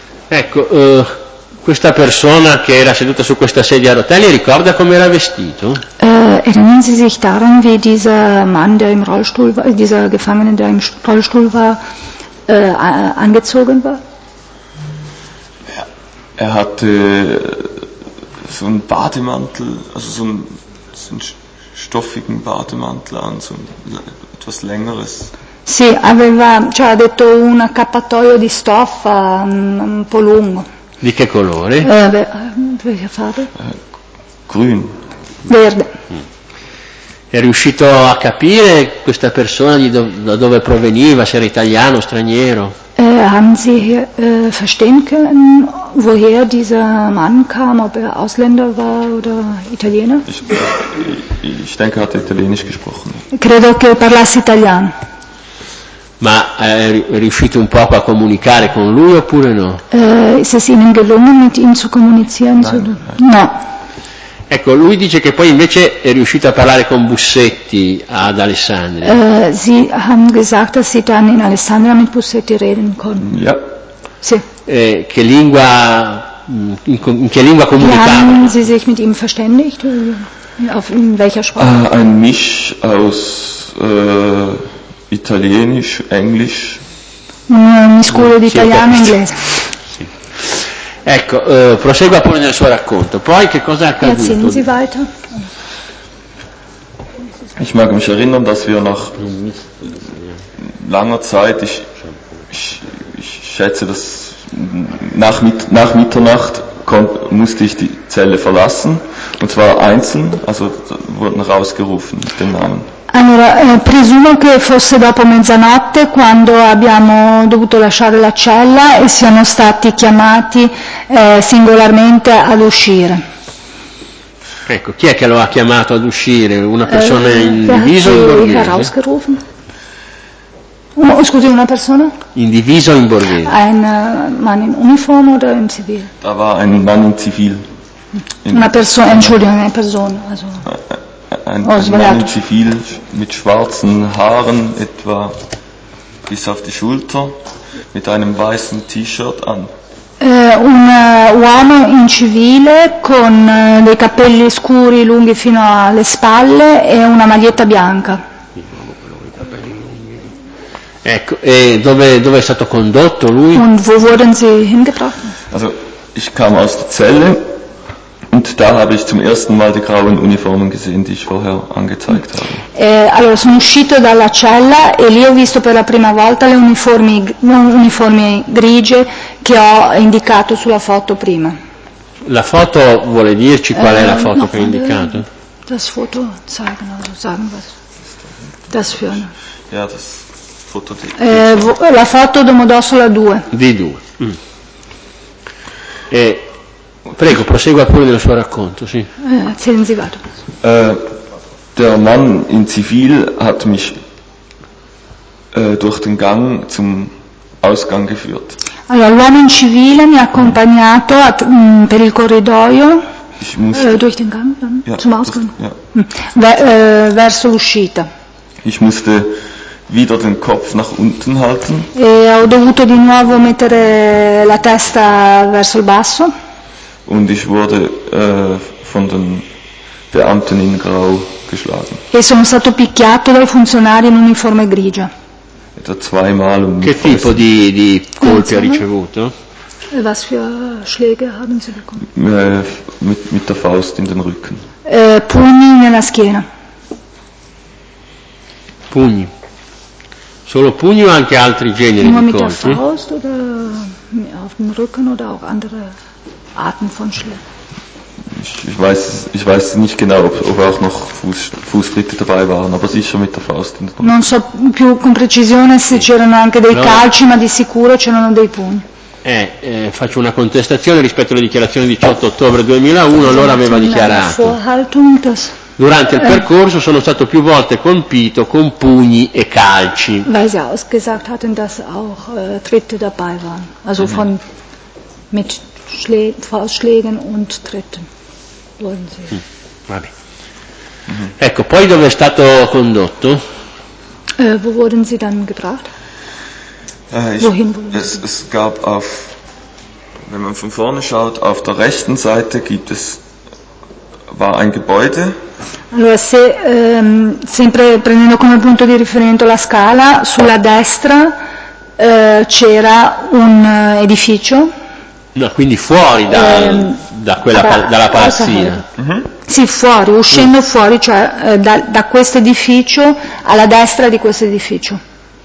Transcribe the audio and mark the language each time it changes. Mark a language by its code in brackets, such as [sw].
[it] Ecco, questa persona che era seduta su questa sedia a rotelle ricorda come era vestito? [de] Erinnern Sie sich daran, wie dieser Mann, der im Rollstuhl war, dieser Gefangene, der im Rollstuhl war, angezogen war? Er hatte so einen Bademantel, also so einen stoffigen Bademantel an, so ein etwas längeres. [it] Sì, aveva, cioè ha detto un accappatoio di stoffa un po' lungo. Di che colore? Che farlo? [de] Grün. [it] Verde. È riuscito a capire questa persona da dove proveniva, se era italiano o straniero? [de] Haben Sie verstehen können, woher dieser Mann kam, ob er Ausländer war oder Italiener? Ich denke, er hat italienisch gesprochen. [it] Credo che parlasse italiano. Ma è riuscito un po' a comunicare con lui oppure no? [de] Ist es Ihnen gelungen, mit ihm zu kommunizieren? [it] No. Ecco, lui dice che poi invece è riuscito a parlare con Bussetti ad Alessandria. [de] Sie haben gesagt, dass Sie dann in Alessandria mit Bussetti reden konnten. Ja. [it] Sì. Che lingua, in che lingua comunicava? [de] Wie haben Sie sich mit ihm verständigt? In welcher Sprache? Ein Misch aus Italienisch, Englisch. [it] Un miscuglio di italiano e inglese. Ecco, prosegua pure nel suo racconto. Poi che cosa è accaduto? [de] Erzählen Sie weiter. Ich mag mich erinnern, dass wir nach langer Zeit, ich schätze, dass nach Mitternacht musste ich die Zelle verlassen, und zwar einzeln, also wurden rausgerufen mit dem Namen. [it] Allora, presumo che fosse dopo mezzanotte quando abbiamo dovuto lasciare la cella e siamo stati chiamati singolarmente ad uscire. Ecco, chi è che lo ha chiamato ad uscire? Una persona in diviso o in borghese? Scusi, una persona? In diviso o in borghese? [de] Ein Mann in Uniform oder in Zivil? Da war ein Mann in Zivil. Entschuldigung, eine Person. Also. Ein Mann in Zivil mit schwarzen Haaren etwa bis auf die Schulter mit einem weißen T-Shirt an. [it] Un uomo in civile con dei capelli scuri lunghi fino alle spalle e una maglietta bianca. Ecco, e dove è stato condotto lui? [de] Und wo wurden Sie hingebracht? Also, ich kam aus der Zelle. Und da habe ich zum ersten Mal die grauen Uniformen gesehen, die ich vorher angezeigt habe. [it] Allora sono uscito dalla cella e lì ho visto per la prima volta le uniformi grigie che ho indicato sulla foto prima. La foto vuole dirci qual è la foto che ho indicato? [de] Das Foto zeigen, also sagen was. Das für. Ja, das Foto di. [it] La foto Domodossola 2. D2. E prego, prosegua pure nel suo racconto, sì. [de] Erzählen Sie weiter. Der Mann in Zivil hat mich durch den Gang zum Ausgang geführt. [it] Allora, l'uomo in civile mi ha accompagnato per il corridoio. [de] Ich musste, durch den Gang, ja, zum Ausgang. Ja. [it] Verso l'uscita. [de] Ich musste wieder den Kopf nach unten halten. [it] E ho dovuto di nuovo mettere la testa verso il basso. [de] Und ich wurde von den Beamten in Grau geschlagen. [it] E sono stato picchiato dai funzionari in uniforme grigia. [de] Etwa zweimal um [it] che tipo di colpi ha ricevuto? [de] E was für Schläge haben Sie bekommen? Mit der Faust in den Rücken. [it] Pugni nella schiena. Pugni. Solo pugni o anche altri generi di colpi? [de] Mit der Faust oder auf dem Rücken oder auch andere Arten von Schlägen. Ich weiß nicht genau, ob auch noch Fußtritte dabei waren, aber sicher mit der Faust. [it] Non so più con precisione se c'erano anche dei calci, ma di sicuro c'erano dei pugni. Faccio una contestazione rispetto alle dichiarazioni 18 ottobre 2001, allora aveva dichiarato. Durante il percorso sono stato più volte colpito con pugni e calci. [de] Weil sie ausgesagt hatten, dass auch Tritte dabei waren. Also von mit Faustschlägen und Tritten wurden sie. [it] Ecco, poi dove è stato condotto? [de] Wo wurden sie dann gebracht? Wohin wurden sie? Es gab auf, wenn man von vorne schaut, auf der rechten Seite gibt es war ein Gebäude. [it] Allora, se, sempre prendendo come punto di riferimento la scala, sulla destra c'era un edificio. No, quindi fuori da, da quella dalla palazzina. Sì, fuori, uscendo fuori, cioè da questo edificio alla destra di questo edificio.